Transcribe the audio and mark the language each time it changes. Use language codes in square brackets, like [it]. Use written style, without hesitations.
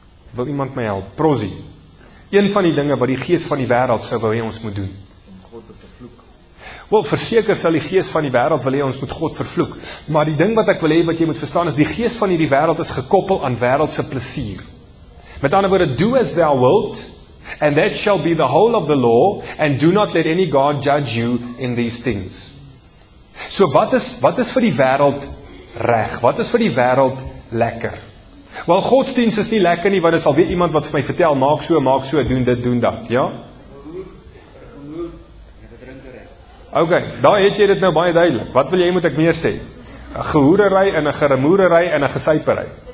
[af] Wil iemand my help? Prozi. Een van die dinge wat die gees van die wêreld sou wou hê ons moet doen. God te vervloek. Wel, verseker sal die gees van die wêreld wil hê ons moet God vervloek. Maar die ding wat ek wil hê wat jy moet verstaan is die gees van hierdie wêreld is gekoppel aan wêreldse plesier. [en] Met ander woorde, do as thou wilt, and that shall be the whole of the law, and do not let any god judge you in these things. [af] So wat is vir die wêreld reg? Wat is vir die wêreld lekker? Wel, godsdienst is nie lekker nie, want dit is alweer iemand wat vir my vertel, maak so, doen dit, doen dat, ja? Ok, daar het jy dit nou baie duidelik. Wat wil jy, moet ek meer sê? Een gehoererij en een geremoererij en een gesuiperij.